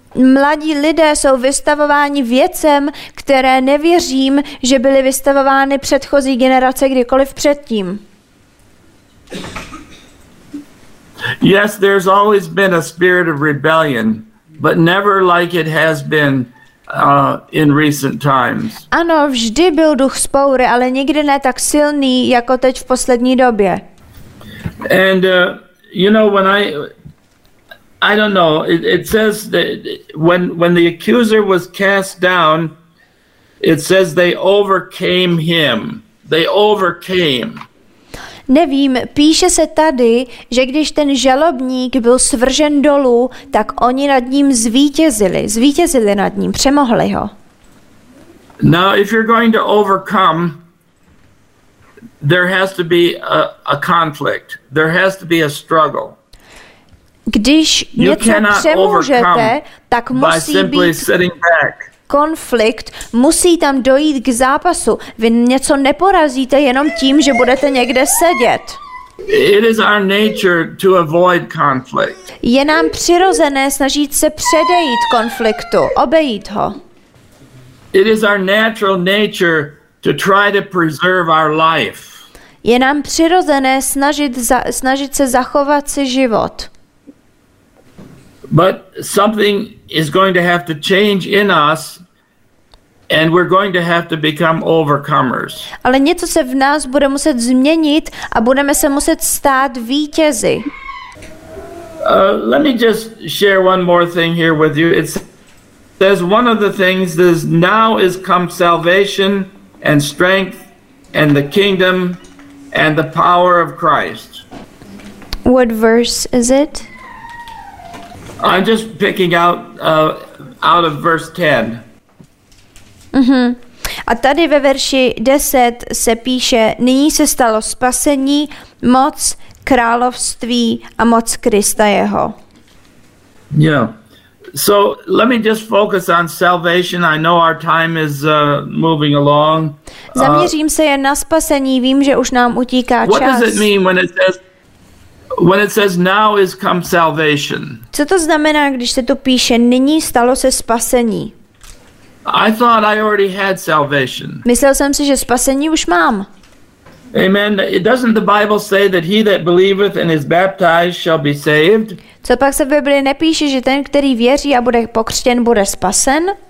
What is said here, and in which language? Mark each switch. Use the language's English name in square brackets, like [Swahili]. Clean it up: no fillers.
[Czech] Mladí lidé jsou vystavováni věcem, které nevěřím, že byly vystavovány předchozí generace kdykoliv předtím. [English] Yes, there's always been a spirit of rebellion, but never like it has been in recent times. [Czech] Ano, vždy byl duch spoury, ale nikdy ne tak silný jako teď v poslední době. [English] And you know, when I don't know, it says that when the accuser was cast down, it says they overcame him. They overcame. [Czech] Nevím, píše se tady, že když ten žalobník byl svržen dolů, tak oni nad ním zvítězili. Zvítězili nad ním, přemohli ho. [English] Now if you're going to overcome, there has to be a conflict. There has to be a struggle. [Czech] Když něco přemůžete, tak musí být konflikt, musí tam dojít k zápasu. Vy něco neporazíte jenom tím, že budete někde sedět. [English] It is our nature to avoid conflict. [Czech] Je nám přirozené snažit se předejít konfliktu, obejít ho. [English] It is our natural nature to try to preserve our life. [Czech] Je nám přirozené snažit se zachovat si život. [English] But something is going to have to change in us, and we're going to have to become overcomers. [Czech] Ale něco se v nás bude muset změnit a budeme se muset stát vítězi. [English] Let me just share one more thing here with you. It says one of the things that is now is come salvation and strength and the kingdom and the power of Christ. What verse is it? I'm just picking out of verse 10. Mm-hmm. [Czech] A tady ve verši 10 se píše, nyní se stalo spasení, moc království a moc Krista jeho. [English] Yeah. So let me just focus on salvation. I know our time is moving along. [Czech] Zaměřím se jen na spasení. Vím, že už nám utíká čas. [English] What does it mean when it says When it says now is come salvation. [Czech] Co to znamená, když se tu píše nyní stalo se spasení? [English] I thought I already had salvation. [Czech] Myslel jsem si, že spasení už mám. [English] Amen. Doesn't the Bible say that he that believeth and is baptized shall be saved? [Czech] Co pak se v Biblii nepíše, že ten, který věří a bude pokřtěn, bude spasen?